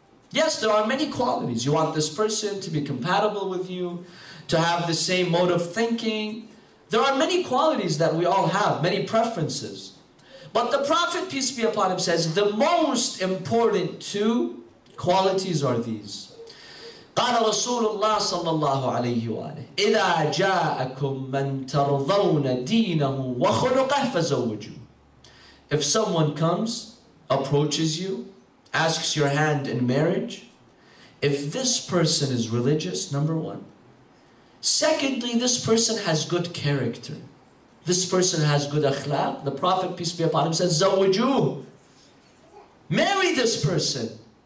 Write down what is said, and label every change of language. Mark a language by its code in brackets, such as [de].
[en] Yes, there are many qualities. You want this person to be compatible with you, to have the same mode of thinking. There are many qualities that we all have, many preferences. But the Prophet, peace be upon him, says, the most important two qualities are these. [ar] قال رسول الله صلى الله عليه وآله إذا جاءكم من ترضون دينه وخلقه فزوجوا. [en] If someone comes, approaches you, asks your hand in marriage, if this person is religious, number one. Secondly, this person has good character. This person has good akhlaq. The Prophet, peace be upon him, says, [ar] زوجوا. [en] Marry this person.